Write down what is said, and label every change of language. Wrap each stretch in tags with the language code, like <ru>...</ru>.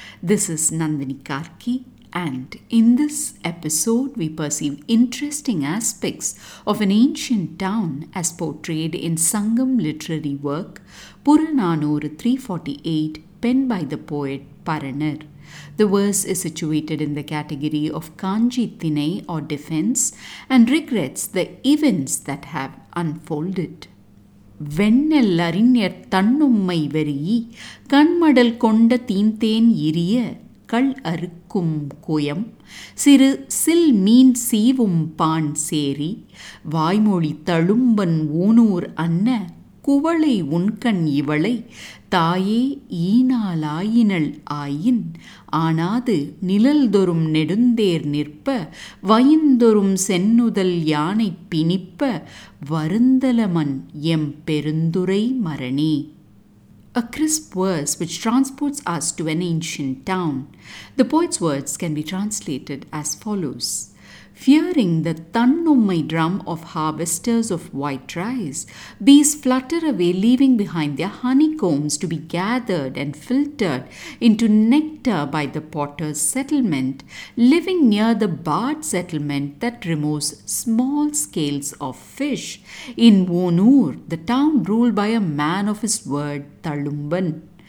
<en>This is Nandini Karki, and in this episode we perceive interesting aspects of an ancient town as portrayed in Sangam literary work Puranaanooru 348, penned by the poet Paranar. The verse is situated in the category of Kanji Thinai or defense and regrets the events that have unfolded.</en> <ta>வெண்ணெல் அறிஞர் தன்னுமை வெறியி கண்மடல் கொண்ட தீந்தேன் இரிய கள் அறுக்கும் குயம் சிறு சில் மீன் சீவும் பான் சேரி வாய்மொழி தழும்பன் ஊனூர் அன்ன குவளை உன்கண் இவளை தாயே ஈனாலாயினள் ஆயின் ஆனாது நிழல்தொரும் நெடுந்தேர் நிற்ப வயந்தொரும் சென்னுதல் யானை பிணிப்ப வருந்தலமன் எம் பெருந்துரை மரணே.</ta> <en>A crisp verse which transports us to an ancient town. The poet's words can be translated as follows. Fearing the thannummai drum of harvesters of white rice, bees flutter away, leaving behind their honeycombs to be gathered and filtered into nectar by the potter's settlement, living near the barred settlement that removes small scales of fish in Wonur, the town ruled by a man of his word, Thalumban.</en>